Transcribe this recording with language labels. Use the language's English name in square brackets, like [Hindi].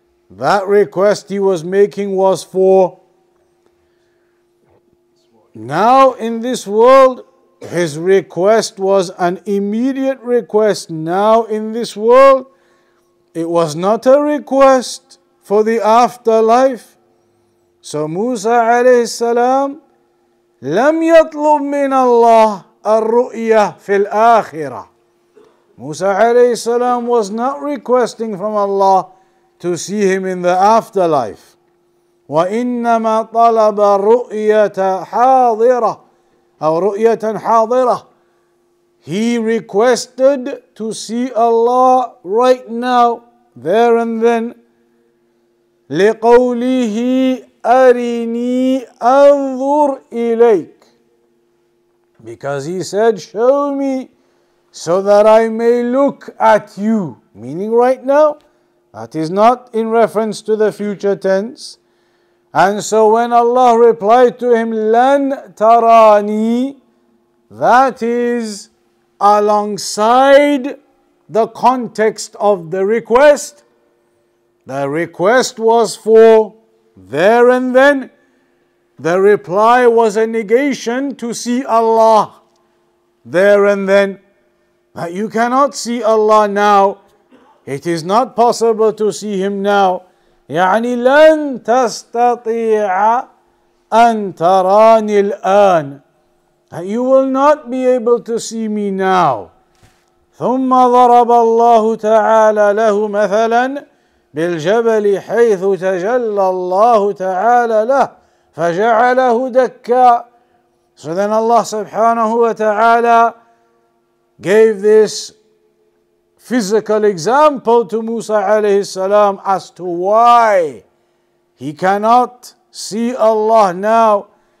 [English] That request he was making was for now in this world. His request was an immediate request now in this world. It was not a request for the afterlife. So Musa alayhi salam, [Arabic] لم يطلب من الله الرؤية في الآخرة. [English] Musa alayhi salam was not requesting from Allah to see him in the afterlife. [Arabic] وإنما طلب رؤية حاضرة أو رؤية حاضرة. [English] He requested to see Allah right now, there and then. [Arabic] لقوله أرني أنظر إليك. [English] Because he said, show me so that I may look at you. Meaning right now. That is not in reference to the future tense. And so when Allah replied to him, [Arabic] لن تراني, [English] that is alongside the context of the request. The request was for there and then. The reply was a negation to see Allah there and then. That you cannot see Allah now. It is not possible to see him now. [Arabic] يعني لن تستطيع أن تراني الآن. [English] You will not be able to see me now. [Arabic] ثم ضرب الله تعالى له مثلا بالجبل حيث تجلى الله تعالى له فجعله دكا. [English] So then Allah سبحانه وتعالى gave this physical example to Musa alayhi salam as to why he cannot see Allah now.